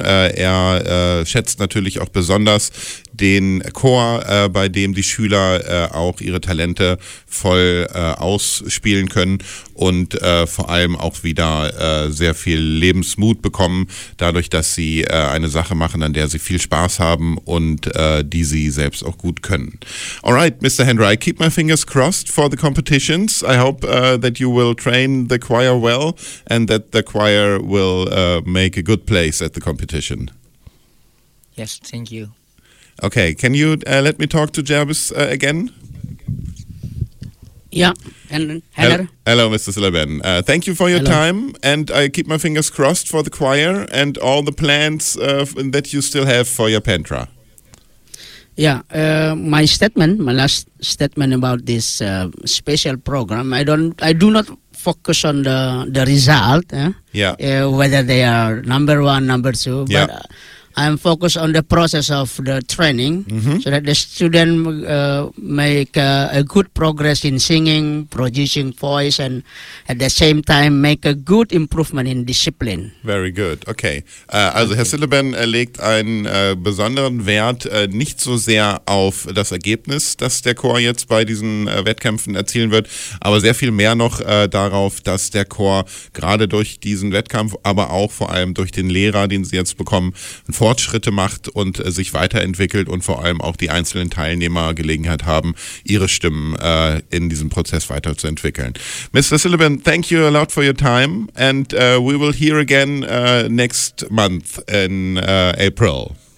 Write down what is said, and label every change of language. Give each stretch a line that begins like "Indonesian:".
German: Er schätzt natürlich auch besonders den Chor, bei dem die Schüler auch ihre Talente voll ausspielen können und vor allem auch wieder sehr viel Lebensmut bekommen, dadurch, dass sie eine Sache machen, an der sie viel Spaß haben und die sie selbst auch gut können.
English: Alright, Mr. Hendra, I keep my fingers crossed for the competitions. I hope that you will train the choir well and that the choir will make a good place at the competition. Yes, thank you. Okay, can you let me talk to Jervis again? Yeah, and hello, Mr. Sullivan. Thank you for your time, and I keep my fingers crossed for the choir and all the plans that you still have for your Pentra. Yeah, my last statement about this special program. I do not focus on the result. Whether they are number one, number two, yeah. But I'm focused on the process of the training, mm-hmm. so that the student make a good progress in singing, producing voice, and at the same time make a good improvement in discipline. Very good. Okay.
German: Also okay. Herr Sullivan legt einen besonderen Wert nicht so sehr auf das Ergebnis, das der Chor jetzt bei diesen Wettkämpfen erzielen wird, aber sehr viel mehr noch darauf, dass der Chor gerade durch diesen Wettkampf, aber auch vor allem durch den Lehrer, den sie jetzt bekommen, Fortschritte macht und sich weiterentwickelt und vor allem auch die einzelnen Teilnehmer Gelegenheit haben, ihre Stimmen in diesem Prozess weiterzuentwickeln.
English: Mr. Sullivan, thank you a lot for your time and we will hear again next month in April.